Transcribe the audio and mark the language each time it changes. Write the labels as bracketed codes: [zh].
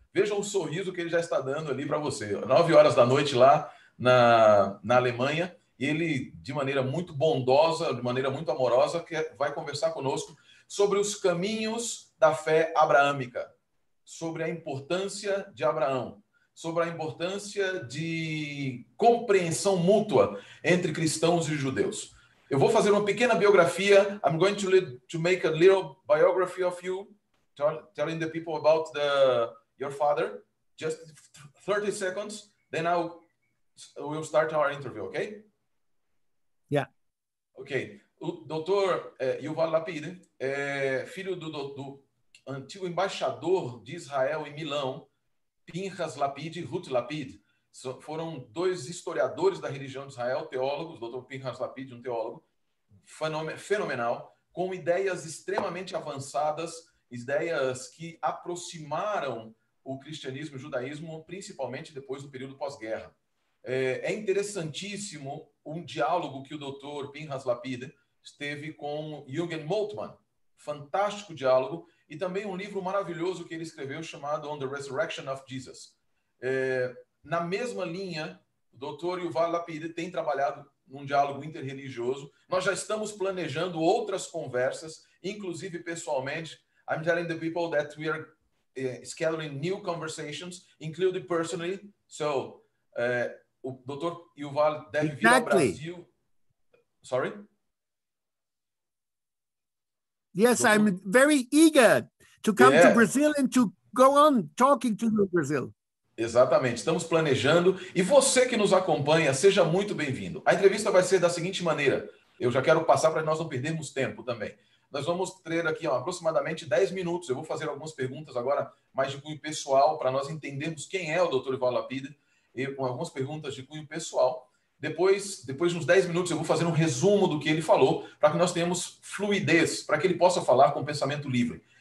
[pt] Veja o sorriso que ele já está dando ali para você. 9 horas da noite lá na Alemanha, e ele, de maneira muito bondosa, de maneira muito amorosa, vai conversar conosco sobre os caminhos da fé abraâmica, sobre a importância de Abraão, sobre a importância de compreensão mútua entre cristãos e judeus. Eu vou fazer uma pequena biografia. [en] I'm going to make a little biography of you, telling the people about your father. Just 30 seconds, then we'll start our interview, okay? Okay. [pt] O doutor Yuval Lapid é filho do antigo embaixador de Israel em Milão, Pinchas Lapid e Ruth Lapid. Foram dois historiadores da religião de Israel, teólogos, doutor Pinchas Lapid, um teólogo fenomenal, com ideias extremamente avançadas, ideias que aproximaram o cristianismo e o judaísmo, principalmente depois do período pós-guerra. É interessantíssimo um diálogo que o Dr. Pinchas Lapid teve com Jürgen Moltmann, fantástico diálogo, e também um livro maravilhoso que ele escreveu chamado On the Resurrection of Jesus. Na mesma linha, o Dr. Yuval Lapid tem trabalhado num diálogo interreligioso. Nós já estamos planejando outras conversas, inclusive pessoalmente. [en] I'm telling the people that we are scheduling new conversations, including personally. So, [pt] o Dr. Yuval deve vir ao [en] Exactly. [pt] Brasil. [en] Sorry? Yes, [pt] Doutor? [en] I'm very eager to come to Yeah. Brazil and to go on talking to you, Brazil. [pt] Exatamente, estamos planejando. E você que nos acompanha, seja muito bem-vindo. A entrevista vai ser da seguinte maneira: eu já quero passar para nós não perdermos tempo também. Nós vamos ter aqui, ó, aproximadamente 10 minutos. Eu vou fazer algumas perguntas agora, mais de cunho pessoal, para nós entendermos quem é o Dr. Yuval Lapid, e com algumas perguntas de cunho pessoal. Depois de uns 10 minutos, eu vou fazer um resumo do que ele falou, para que nós tenhamos fluidez, para que ele possa falar com pensamento livre.